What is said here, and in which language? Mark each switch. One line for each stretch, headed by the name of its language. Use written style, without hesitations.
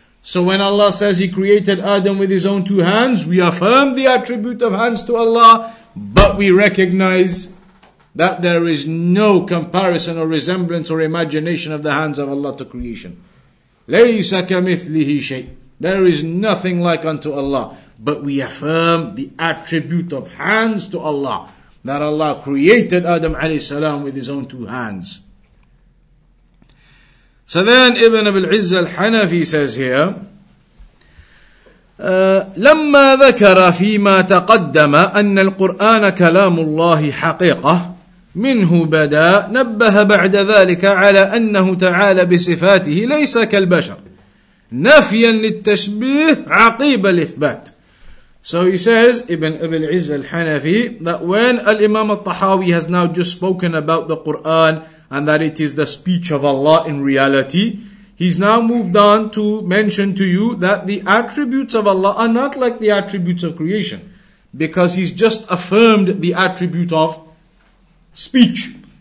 English: So when Allah says He created Adam with His own two hands, we affirm the attribute of hands to Allah, but we recognize that there is no comparison or resemblance or imagination of the hands of Allah to creation.
Arabic: لَيْسَ كَمِثْلِهِ شَيْءٍ.
English: There is nothing like unto Allah. But we affirm the attribute of hands to Allah. That Allah created Adam alayhi salam with His own two hands. So then Ibn Abil Izz al-Hanafi says here,
Arabic: لَمَّا ذَكَرَ فِي مَا تَقَدَّمَ أَنَّ الْقُرْآنَ كَلَامُ اللَّهِ حَقِيقَةٌ منه بدا نبه بعد ذلك على أنه تعالى بصفاته ليس كالبشر نفيا للتشبيه عقيب الإثبات.
English: So he says, Ibn Abil Izz al-Hanafi, that when Al-Imam al-Tahawi has now just spoken about the Qur'an and that it is the speech of Allah in reality, he's now moved on to mention to you that the attributes of Allah are not like the attributes of creation, because he's just affirmed the attribute of speech.